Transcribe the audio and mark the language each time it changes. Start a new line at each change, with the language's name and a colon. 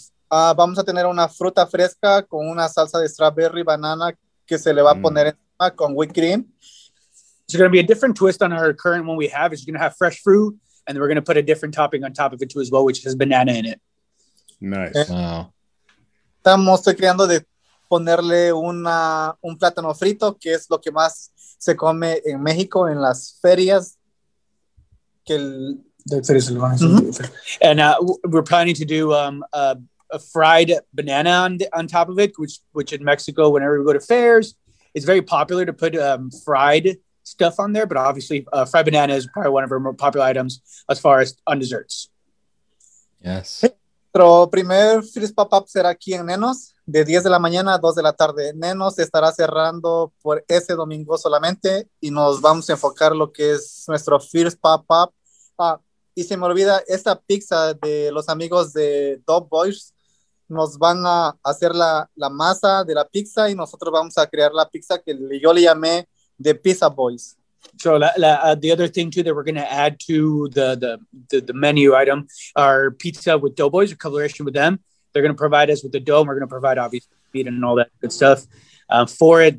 Spanish: Vamos a tener una fruta fresca con una salsa de
English: strawberry banana
Spanish: que se le va a poner encima con
English: whipped cream. It's going to be a different twist on our current one we have. It's going to have fresh fruit, and we're going to put a different topping on top of it too as well, which has banana in it. Nice. Wow.
Spanish: Estamos creando de ponerle un plátano frito, que es lo que más se come en México en las ferias.
English: And we're planning to do a fried banana on top of it, which in Mexico, whenever we go to fairs, it's very popular to put fried stuff on there, but obviously fried banana is probably one of our more popular items as far as on desserts. Yes.
Spanish: Nuestro primer
English: first pop-up
Spanish: será aquí en Nenos, de 10 de la mañana a 2 de la tarde. Nenos estará cerrando por ese domingo solamente, y nos vamos a enfocar lo que es nuestro
English: first pop-up.
Spanish: Y se me olvida, esta pizza de los amigos de Dog Boys, nos van a hacer la masa de la pizza, y nosotros vamos a crear la pizza que yo le llamé the Pizza Boys.
English: So the other thing too that we're going to add to the menu item are pizza with Doughboys, a collaboration with them. They're going to provide us with the dough, and we're going to provide obviously meat and all that good stuff for it.